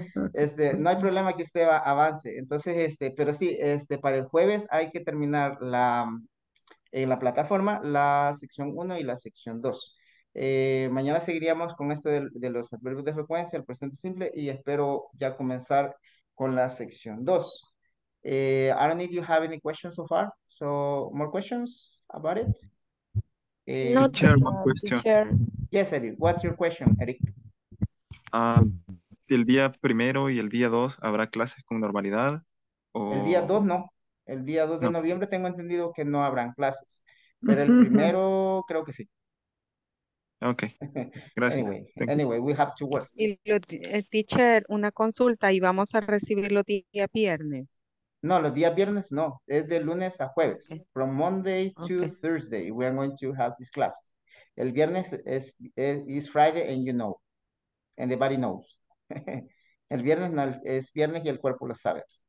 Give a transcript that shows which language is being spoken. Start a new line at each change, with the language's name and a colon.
Spanish: No hay problema que usted avance. Entonces, pero sí, para el jueves hay que terminar en la plataforma la sección 1 y la sección 2. Mañana seguiríamos con esto de los adverbios de frecuencia, el presente simple, y espero ya comenzar con la sección 2.
English: I don't need you have any questions so far. So, more questions about it? Not sure, one question. Yes, Eric. What's your question, Eric?
Spanish: El día primero y el día 2 habrá clases con normalidad. El día 2 no. El día 2 de noviembre tengo entendido que no habrán clases. Pero el primero creo que sí. Okay. Gracias.
English: Anyway, we have to work.
Spanish: Y el teacher, una consulta, y vamos a recibirlo día viernes. No, los días viernes no, es de lunes a jueves.
English: From Monday to Thursday, we are going to have these classes.
Spanish: El viernes
English: is Friday and you know, and everybody knows.
Spanish: El viernes no, es viernes y el cuerpo lo sabe.